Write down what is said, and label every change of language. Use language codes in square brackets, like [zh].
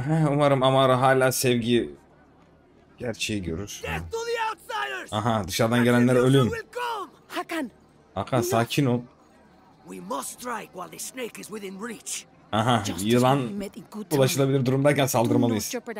[tr] Umarım Amaru hala sevgi gerçeği görür. Aha, dışarıdan gelenler ölüm. Hakan, sakin ol. [en] We must strike while the snake is within reach. [tr] Aha, yılan ulaşılabilir durumdayken saldırmalıyız.